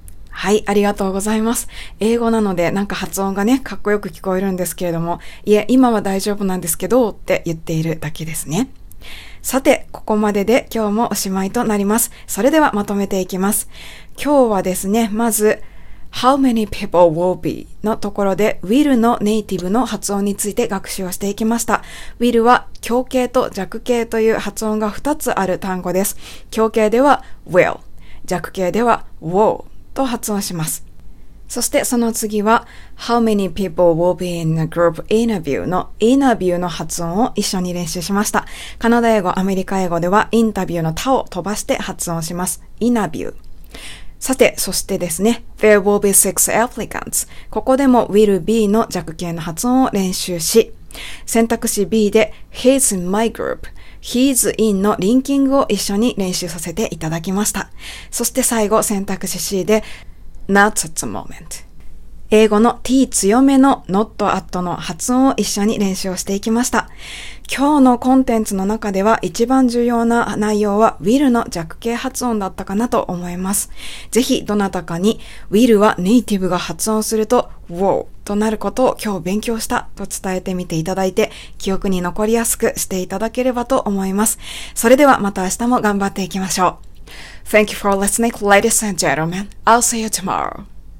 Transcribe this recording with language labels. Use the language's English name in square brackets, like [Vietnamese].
[Japanese] はい、ありがとうございます。英語なのでなんか発音がねかっこよく聞こえるんですけれども、いえ、今は大丈夫なんですけどって言っているだけですね。さて、ここまでで今日もおしまいとなります。それではまとめていきます。今日はですね、まず、 [English] How many people will be? [Japanese] のところで、will のネイティブの発音について学習をしていきました。 will は強形と弱形という発音が2つある単語です。強形では will、弱形では will と発音します。そしてその次は、 [English] How many people will be in the group interview [Japanese] の interview の発音を一緒に練習しました。カナダ英語、アメリカ英語では、インタビューの他を飛ばして発音します。 [English] interview。 [Japanese] さて、そしてですね、 [English] There will be six applicants。 [Japanese] ここでも will be の弱形の発音を練習し、選択肢 B で、 [English] He's in my group。 [Japanese] He's in のリンキングを一緒に練習させていただきました。そして最後、選択肢 C で、 [English] Not at the moment。 [Japanese] 英語の T 強めの Not at の発音を一緒に練習をしていきました。今日のコンテンツの中では一番重要な内容は Will の弱形発音だったかなと思います。ぜひどなたかに Will はネイティブが発音すると Wow となることを今日勉強したと伝えてみていただいて、記憶に残りやすくしていただければと思います。それではまた明日も頑張っていきましょう。 [English] Thank you for listening, ladies and gentlemen. I'll see you tomorrow.